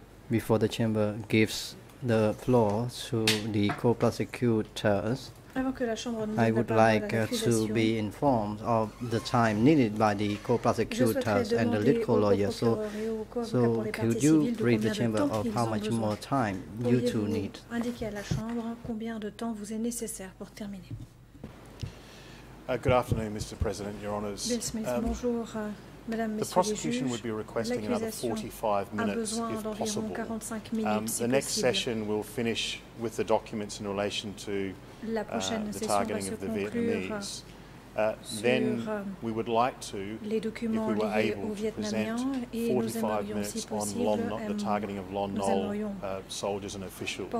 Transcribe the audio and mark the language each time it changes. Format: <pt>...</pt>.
<en>Before the chamber gives the floor to the co-prosecutors, I would like to be informed of the time needed by the co-prosecutors and the litigation lawyer. So could you brief the chamber of how much more time you two need?</en> <fr>Indiquer à la chambre combien de temps vous est nécessaire pour terminer.</fr> <en>Good afternoon, Mr. President, Your Honours.</en> <fr>Bill Smith, bonjour.</fr> <en>The prosecution would be requesting another 45 minutes, if possible. The next session will finish with the documents in relation to the targeting of the Vietnamese. Then we would like to, if we were able, to present 45 minutes on the targeting of Lon Nol soldiers and officials.</en>